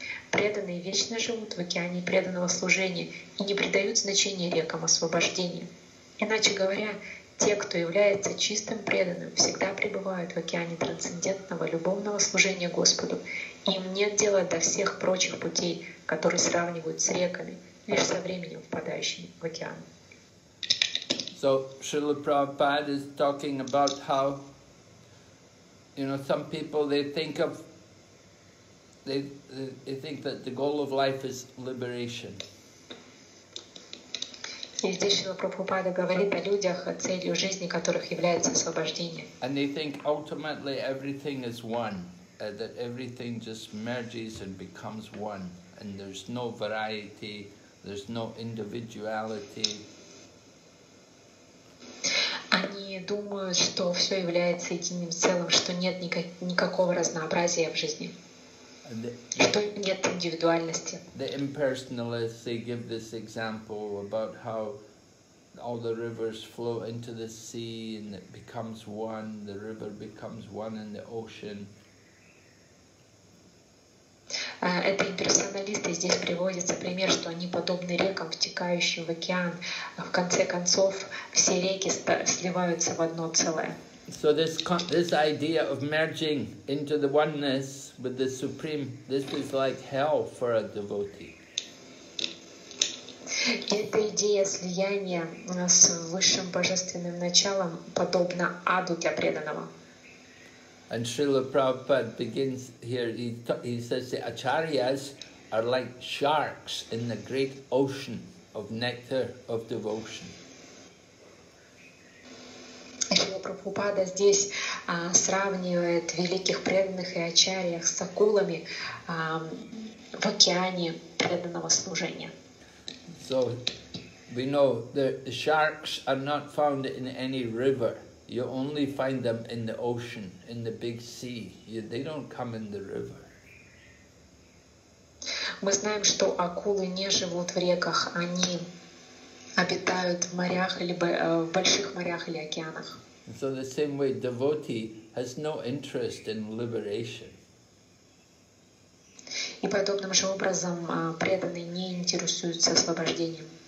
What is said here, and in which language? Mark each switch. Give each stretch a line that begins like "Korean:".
Russian: Преданные вечно живут в океане преданного служения и не придают значения рекам освобождения. Иначе говоря, те, кто является чистым преданным, всегда пребывают в океане трансцендентного любовного служения Господу. Им нет дела до всех прочих путей, которые сравнивают с реками, лишь со временем впадающими в океан.
English: So, Srila Prabhupada is talking about how, you know, some people, they think that the goal of life is liberation.
Russian: И здесь Шрила Прабхупада говорит о людях, о целью жизни которых является освобождение.
English: And they think ultimately everything is one, that everything just merges and becomes one, and there's no variety, There's no individuality.
Russian: Они думают, что все является единым целым, что нет никакого разнообразия в жизни, что нет индивидуальности.
English: The impersonalists, they give this example about how all the rivers flow into the sea and it becomes one, the river becomes one in the ocean.
Russian: Это имперсоналисты здесь приводятся пример, что они подобны рекам, втекающим в океан. В конце концов, все реки сливаются в одно целое.
English: So this idea of merging into the oneness with the Supreme, this is like hell for a devotee.
Russian: Эта идея слияния с высшим божественным началом подобна аду для преданного.
English: And Srila Prabhupada begins here, he says the acharyas are like sharks in the great ocean of nectar of devotion.
Russian: Srila Prabhupada здесь сравнивает великих преданных и ачарьях с акулами в океане преданного служения.
English: So we know the sharks are not found in any river. You only find them in the ocean, in the big sea. They don't come in the river.
Russian: Мы знаем, что акулы не живут в реках. Они обитают в морях либо в больших морях или океанах.
English: So the same way, devotee has no interest in liberation.
Russian: И подобным же образом преданный не интересуется освобождением.